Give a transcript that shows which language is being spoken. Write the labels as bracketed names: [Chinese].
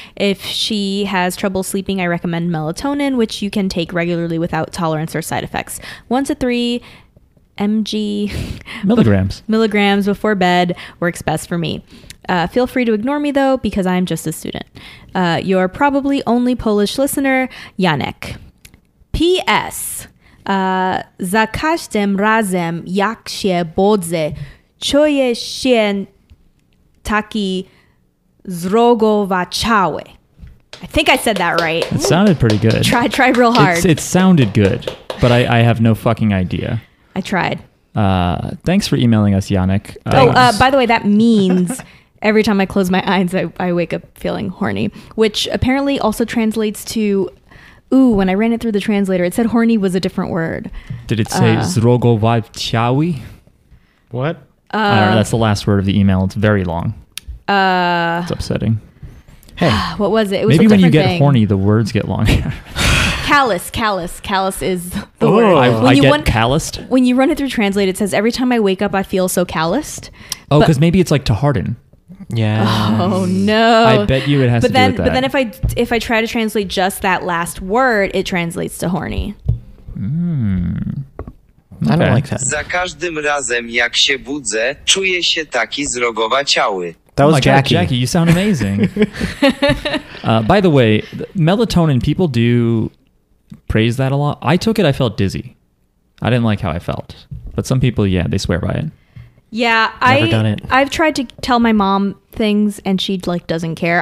[English] If she has trouble sleeping, I recommend melatonin, which you can take regularly without tolerance or side effects. 1 to 3 mg milligrams. Milligrams before bed works best for me. Feel free to ignore me, though, because I'm just a student. You're probably only Polish listener, Yannick. P.S. [Polish] Za każdym razem, jak się bodzę, czuję się taki zrogowaczały. [English] I think I said that right. It sounded pretty good. Try real hard. It sounded good, but I have no fucking idea. I tried. Thanks for emailing us, Yannick. By the way, that means every time I close my eyes, I wake up feeling horny, which apparently also translates to, ooh, when I ran it through the translator, it said horny was a different word. Did it say zrogovatchawi? What? That's the last word of the email. It's very long. It's upsetting. Hey. What was it? Maybe when you get horny, the words get longer. Callous is the word. Calloused? When you run it through translate, it says, every time I wake up, I feel so calloused. Oh, because maybe it's like to harden. Yeah. Oh, no. I bet you it has but to then, do with that. But then if I try to translate just that last word, it translates to horny. Okay. I don't like that. [Polish] Za każdym razem, jak się budzę, czuję się taki zrogowa ciały. [English] That was Jackie. Jackie, you sound amazing. by the way, melatonin, people do praise that a lot. I took it, I felt dizzy. I didn't like how I felt. But some people, yeah, they swear by it. Yeah, I've tried to tell my mom things and she like doesn't care.